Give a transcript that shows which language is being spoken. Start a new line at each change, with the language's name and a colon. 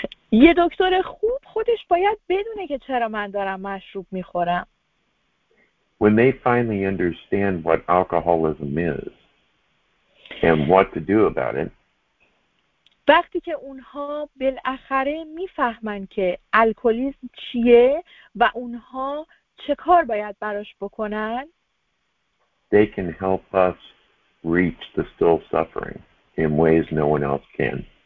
Persian: یه دکتر خوب خودش باید بدونه که چرا من دارم مشروب میخورم.
English: When they finally understand what alcoholism is and what to do about it.
Persian: وقتی که اونها بالاخره میفهمن که الکلیسم چیه و اونها چه کار باید براش بکنن.
English: They can help us reach the still suffering in ways no one else can.